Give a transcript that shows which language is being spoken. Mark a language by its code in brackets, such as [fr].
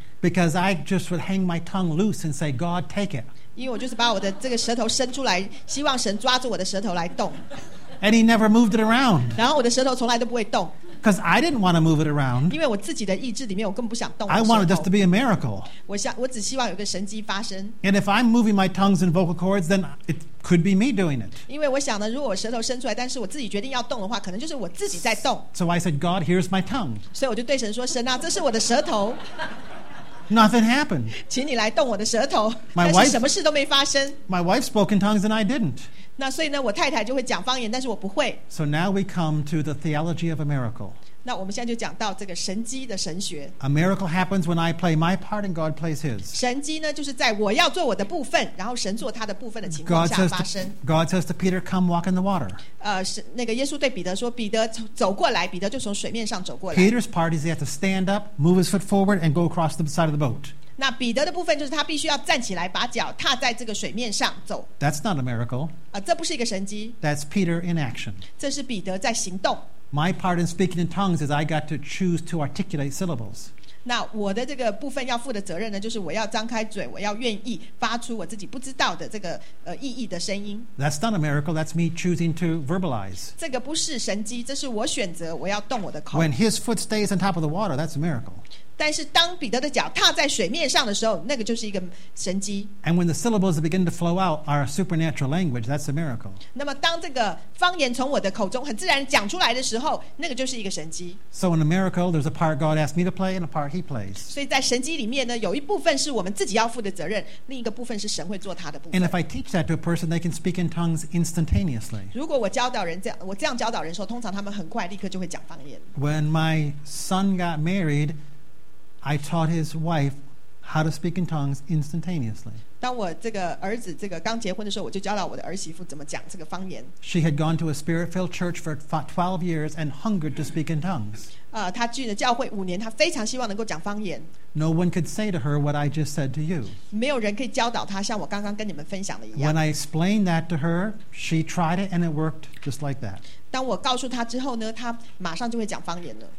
[en] Because I just would hang my tongue loose and say, God, take it. [zh] 因为我就是把我的这个舌头伸出来，希望神抓住我的舌头来动。 [en] And he never moved it around. [zh] 然后我的舌头从来都不会动。 [en] Because I didn't want to move it around. [zh] 因为我自己的意志里面，我根本不想动。 [en] I wanted this to be a miracle. [zh] 我只希望有个神迹发生。 [en] And if I'm moving my tongues and vocal cords, then it could be me doing it. [zh] 因为我想呢，如果我舌头伸出来，但是我自己决定要动的话，可能就是我自己在动。 [en] So I said, God, here's my tongue. [zh] 所以我就对神说，神啊，这是我的舌头。 [en] Nothing happened. [zh] 请你来动我的舌头。但是什么事都没发生。 [en] My wife spoke in tongues and I didn't. [zh] 那所以呢，我太太就会讲方言，但是我不会。 [en] So now we come to the theology of a miracle. [zh] 那我们现在就讲到这个神迹的神学。 [en] A miracle happens when I play my part and God plays His. [zh] 神迹呢，就是在我要做我的部分，然后神做他的部分的情况下发生。 [en] God says to Peter, "Come walk in the water." [zh] 那个耶稣对彼得说，彼得走过来，彼得就从水面上走过来。 [en] Peter's part is he has to stand up, move his foot forward, and go across the side of the boat. [zh] 那彼得的部分就是他必须要站起来，把脚踏在这个水面上走。 [en] That's not a miracle. [zh] 这不是一个神迹。 [en] That's Peter in action. [zh] 这是彼得在行动。 [en] My part in speaking in tongues is I got to choose to articulate syllables. [zh] 那我的这个部分要负的责任呢，就是我要张开嘴，我要愿意发出我自己不知道的这个意义的声音。 [en] That's not a miracle. That's me choosing to verbalize. [zh] 这个不是神迹，这是我选择我要动我的口。 [en] When his foot stays on top of the water, that's a miracle. [zh] 但是当彼得的脚踏在水面上的时候，那个就是一个神迹。 [en] And when the syllables begin to flow out are a supernatural language, that's a miracle. [zh] 那么当这个方言从我的口中很自然讲出来的时候，那个就是一个神迹。 [en] So in a miracle, there's a part God asked me to play and a part He plays. [zh] 所以在神迹里面呢，有一部分是我们自己要负的责任，另一个部分是神会做他的部分。 [en] And if I teach that to a person, they can speak in tongues instantaneously. [zh] 如果我这样教导人的时候，通常他们很快立刻就会讲方言。 [en] When my son got married,I taught his wife how to speak in tongues instantaneously. [zh] 当我这个儿子这个刚结婚的时候，我就教导我的儿媳妇怎么讲这个方言。 [en] She had gone to a spirit-filled church for 12 years and hungered to speak in tongues. [zh] 她去了教会五年，她非常希望能够讲方言。 [en] No one could say to her what I just said to you. [zh] 没有人可以教导她像我刚刚跟你们分享的一样。 [en] When I explained that to her, she tried it and it worked just like that. [zh] 当我告诉他之后呢，他马上就会讲方言了。